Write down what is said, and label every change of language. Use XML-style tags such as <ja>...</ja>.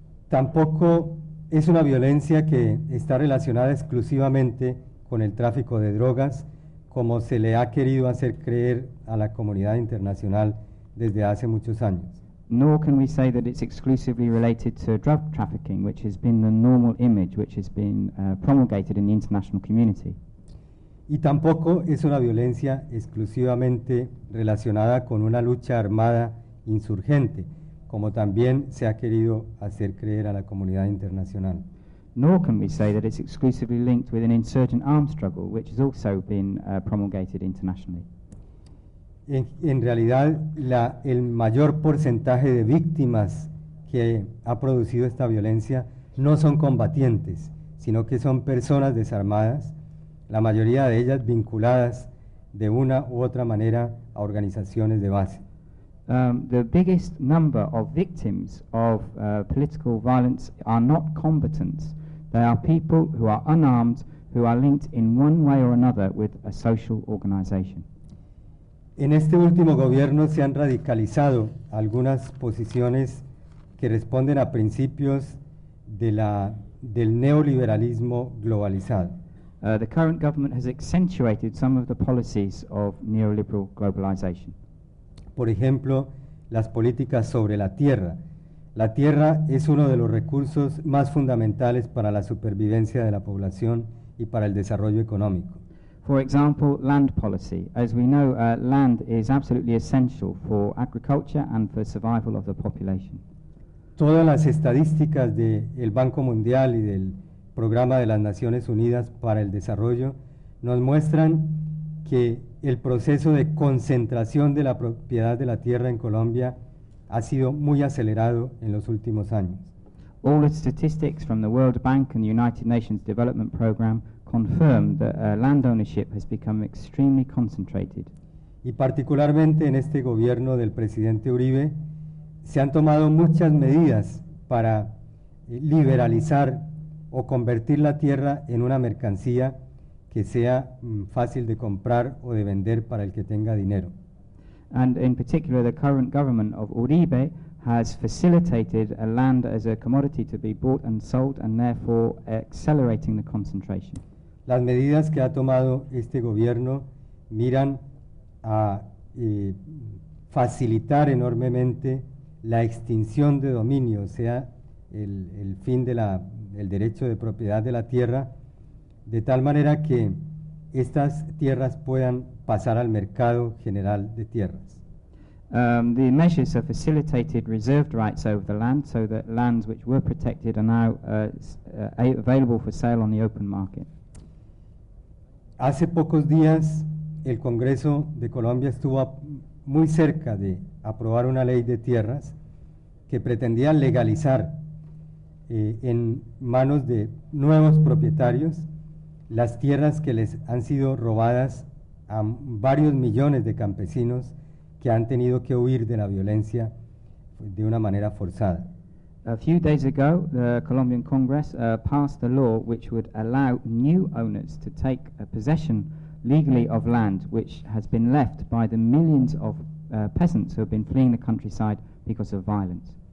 <es>Tampoco es una violencia que está relacionada exclusivamente con el tráfico de drogas, como se le ha querido hacer creer a la comunidad internacional desde hace muchos años.</es> <en>Nor can we say that it's exclusively related to drug trafficking, which has been the normal image which has been promulgated in the international community.</en> <es>Y tampoco es una violencia exclusivamente relacionada con una lucha armada insurgente, como también se ha querido hacer creer a la comunidad internacional.</es> <en>Nor can we say that it's exclusively linked with an insurgent armed struggle, which has also been promulgated internationally.</en> <es>En realidad, el mayor porcentaje de víctimas que ha producido esta violencia no son combatientes, sino que son personas desarmadas, la mayoría de ellas vinculadas de una u otra manera a organizaciones de base.</es> <en>The biggest number of victims of political violence are not combatants. They are people who are unarmed, who are linked in one way or another with a social organization.</en> <es>En este último gobierno se han radicalizado algunas posiciones que responden a principios del neoliberalismo globalizado.</es> <en>The current government has accentuated some of the policies of neoliberal globalization.</en> <es>Por ejemplo, las políticas sobre la tierra. La tierra es uno de los recursos más fundamentales para la supervivencia de la población y para el desarrollo económico.</es> <en>For example, land policy. As we know, land is absolutely essential for agriculture and for survival of the population.</en> <es>Todas las estadísticas del Banco Mundial y del Programa de las Naciones Unidas para el Desarrollo nos muestran que el proceso de concentración de la propiedad de la tierra en Colombia ha sido muy acelerado en los últimos años.</es> <en>All the statistics from the World Bank and the United Nations Development Programme confirm that land ownership has become extremely concentrated.</en> <es>Y particularmente en este gobierno del presidente Uribe, se han tomado muchas medidas para liberalizar o convertir la tierra en una mercancía que sea fácil de comprar o de vender para el que tenga dinero.</es> <en>And in particular, the current government of Uribe has facilitated a land as a commodity to be bought and sold, and therefore accelerating the concentration.</en> <es>Las medidas que ha tomado este gobierno miran a facilitar enormemente la extinción de dominio, o sea, el fin del derecho de propiedad de la tierra, de tal manera que estas tierras puedan pasar al mercado general de tierras.</es> <en>The measures have facilitated reserved rights over the land so that lands which were protected are now available for sale on the open market.</en> <es>Hace pocos días el Congreso de Colombia estuvo muy cerca de aprobar una ley de tierras que pretendía legalizar en manos de nuevos propietarios las tierras que les han sido robadas a varios millones de campesinos que han tenido que huir de la violencia de una manera forzada.</es> <en>A few days ago, the Colombian Congress passed a law which would allow new owners to take a possession legally of land which has been left by the millions of peasants who have been fleeing the countryside because of violence.</en>